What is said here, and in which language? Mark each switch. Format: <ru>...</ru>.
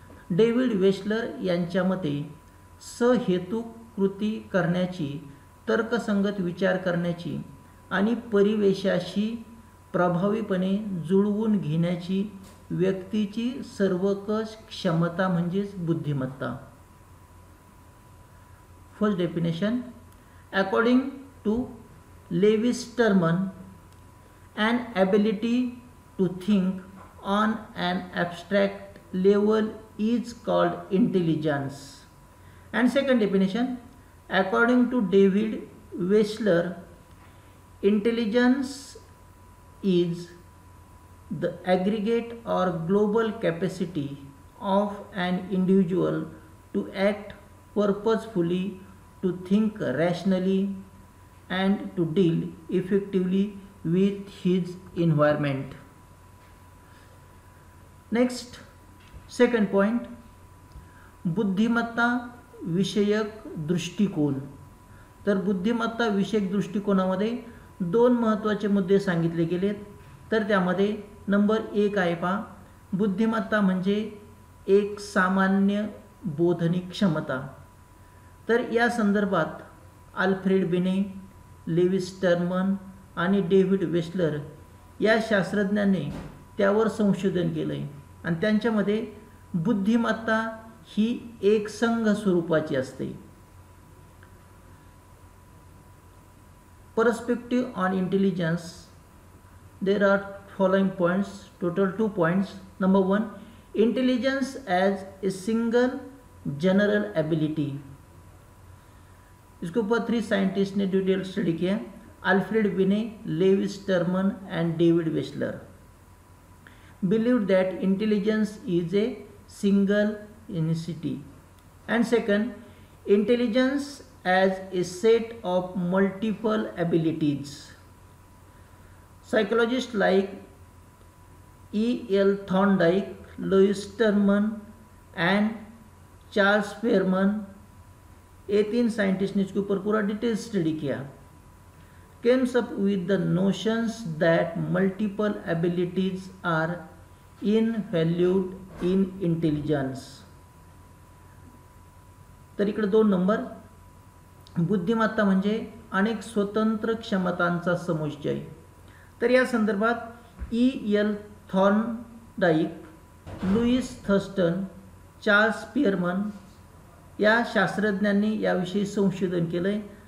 <mr>David वेशलर यांच्या मते सहेतु कृती करण्याची, तर्कसंगत विचार करण्याची आणि परिवेशाशी प्रभावीपणे जुळवून घेण्याची व्यक्तीची सर्वकष क्षमता म्हणजेच बुद्धिमत्ता।</mr> <en>First definition, according to Lewis Terman, an ability to think on an abstract level is called intelligence. And second definition, according to David Wechsler, intelligence is the aggregate or global capacity of an individual to act purposefully, to think rationally and to deal effectively with his environment. Next second point,</en> <mr>बुद्धिमत्ता विषयक दृष्टिकोन। तर बुद्धिमत्ता विषयक दृष्टिकोनामध्ये दोन महत्त्वाचे मुद्दे सांगितले गेलेत। तर त्यामध्ये नंबर एक आहे पा, बुद्धिमत्ता म्हणजे एक सामान्य बोधनी क्षमता। तर या संदर्भात अल्फ्रेड बिने, लेविस टर्मन आणि डेव्हिड वेशलर या शास्त्रज्ञांनी त्यावर संशोधन केलं आहे आणि त्यांच्यामध्ये बुद्धिमत्ता ही एक संघ स्वरूपाची असते।</mr> <en>Perspective on intelligence, there are following points, total two points. Number one, intelligence as a single general ability,</en> <hi>इसके ऊपर थ्री साइंटिस्ट ने डिटेल स्टडी किया,</hi> <en>Alfred Binet, Lewis Terman and David Wechsler believe that intelligence is a single unicity. And second, intelligence as a set of multiple abilities, psychologist like E L Thorndike, Lewis Terman and Charles Spearman,</en> <hi>ये तीन scientist ने इसके ऊपर पूरा detail study किया,</hi> <en>Comes up with the notions that multiple abilities are in valued in intelligence.</en> <mr>तर इकडे दोन नंबर, बुद्धिमत्ता म्हणजे अनेक स्वतंत्र क्षमतांचा समुच्चय। तर या संदर्भात E L Thorndike, Lewis Thurston, Charles पियरमन या शास्त्रज्ञांनी याविषयी संशोधन केलं आहे।</mr>